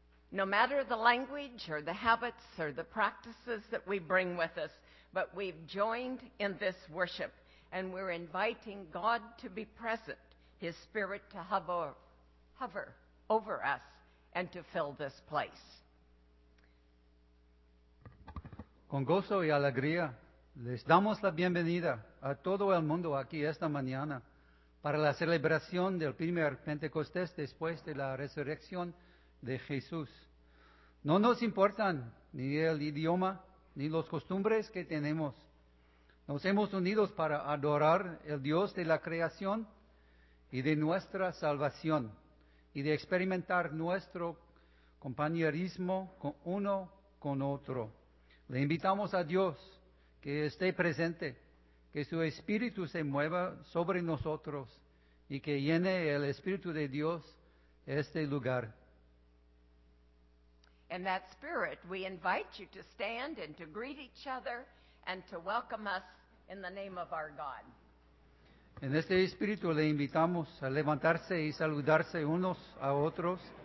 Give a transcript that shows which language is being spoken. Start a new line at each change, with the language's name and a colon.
English: No matter the language or the habits or the practices that we bring with us, but we've joined in this worship and we're inviting God to be present, His Spirit to hover over us and to fill this place.
Spanish: Con gozo y alegría, les damos la bienvenida a todo el mundo aquí esta mañana para la celebración del primer Pentecostés después de la resurrección de Jesús. No nos importan ni el idioma ni las costumbres que tenemos. Nos hemos unido para adorar el Dios de la creación y de nuestra salvación y de experimentar nuestro compañerismo con uno con otro. Le invitamos a Dios que esté presente, que su Espíritu se mueva sobre nosotros y que llene el Espíritu de Dios este lugar.
English: In that spirit, we invite you to stand and to greet each other and to welcome us in the name of our God.
Spanish: En este espíritu le invitamos a levantarse y saludarse unos a otros.